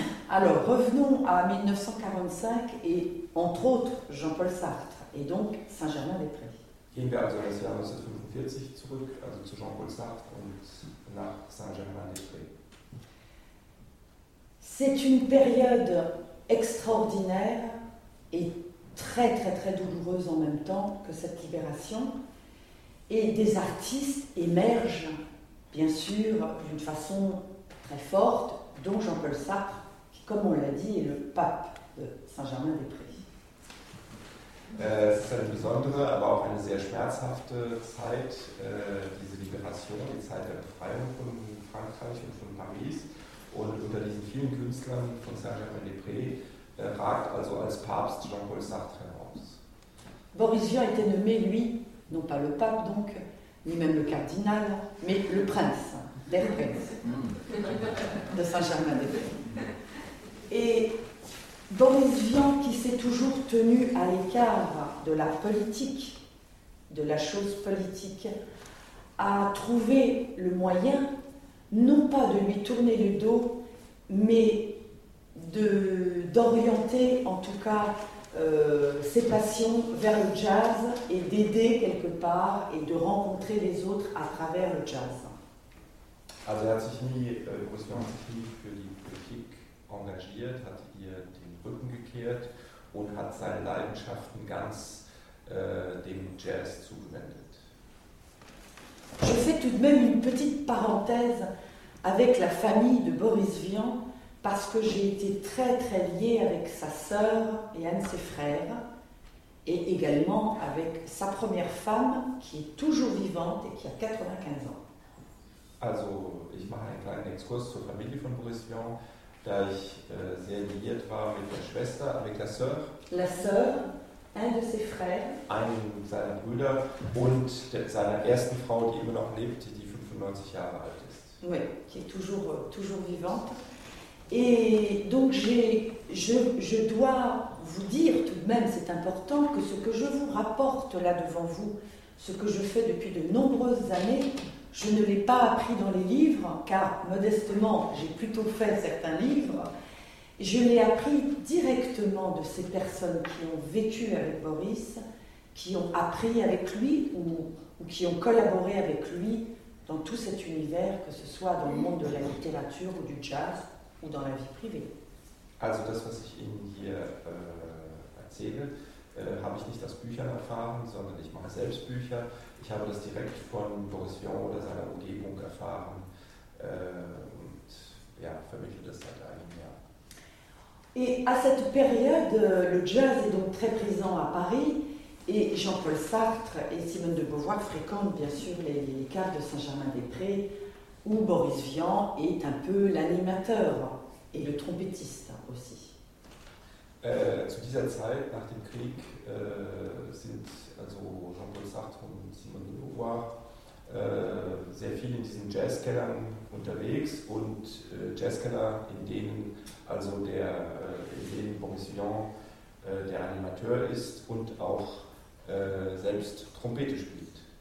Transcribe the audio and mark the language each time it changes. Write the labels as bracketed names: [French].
[French] Alors, revenons à 1945 et entre autres Jean-Paul Sartre et donc Saint-Germain-des-Prés. [German] Gehen wir also das Jahr 1945 zurück, also zu Jean-Paul Sartre und nach Saint-Germain-des-Prés. [French] C'est une période extraordinaire et très très très douloureuse en même temps que cette libération. Et des artistes émergent, bien sûr, d'une façon très forte, dont Jean-Paul Sartre, qui, comme on l'a dit, est le pape de Saint-Germain-des-Prés. C'est une [German] besondere, aber auch eine sehr schmerzhafte Zeit, diese Libération, die Zeit der Befreiung von Frankreich und von Paris. Und unter diesen vielen Künstlern von Saint-Germain-des-Prés ragt also als Papst Jean-Paul Sartre heraus. [French] Boris Vian était nommé, lui, non pas le pape donc, ni même le cardinal, mais le prince, [German] der Prinz, [French] de Saint-Germain-des-Prés. Et Boris Vian, qui s'est toujours tenu à l'écart de la politique, de la chose politique, a trouvé le moyen non pas de lui tourner le dos, mais d'orienter en tout cas ses passions vers le jazz et d'aider quelque part et de rencontrer les autres à travers le jazz. [German] Also er hat sich nie großartig für die Politik engagiert, hat ihr den Rücken gekehrt und hat seine Leidenschaften ganz dem Jazz zugewendet. [French] Je fais tout de même une petite parenthèse avec la famille de Boris Vian, parce que j'ai été très très liée avec sa sœur et un de ses frères, et également avec sa première femme, qui est toujours vivante et qui a 95 ans. [German] Also, ich mache einen kleinen Exkurs zur Familie von Boris Vian, da ich sehr liiert war mit der Schwester, [French] avec la sœur. La sœur, un de ses frères. [German] Einen seiner Brüder und seiner ersten Frau, die immer noch lebt, die 95 Jahre alt ist. [French] Oui, qui est toujours vivante. Et donc je dois vous dire tout de même, c'est important, que ce que je vous rapporte là devant vous, ce que je fais depuis de nombreuses années, je ne l'ai pas appris dans les livres, car modestement, j'ai plutôt fait certains livres. Je l'ai appris directement de ces personnes qui ont vécu avec Boris, qui ont appris avec lui ou qui ont collaboré avec lui dans tout cet univers, que ce soit dans le monde de la littérature ou du jazz, ou dans la vie privée. [German] Also das, was ich Ihnen hier erzähle, habe ich nicht aus Büchern erfahren, sondern ich mache selbst Bücher. Ich habe das direkt von Boris Vian oder seiner Umgebung erfahren und ja, vermittle das seit einem Jahr. [French] Et à cette période, le jazz est donc très présent à Paris, et Jean-Paul Sartre et Simone de Beauvoir fréquentent bien sûr les caves de Saint-Germain-des-Prés, où Boris Vian est un peu l'animateur et le trompettiste aussi. [German] Zu dieser Zeit, nach dem Krieg, sind also Jean-Paul Sartre und Simone de Beauvoir sehr viel in diesen Jazzkellern unterwegs und Jazzkeller, in denen also in denen Boris Vian der Animateur ist und auch selbst Trompete spielt.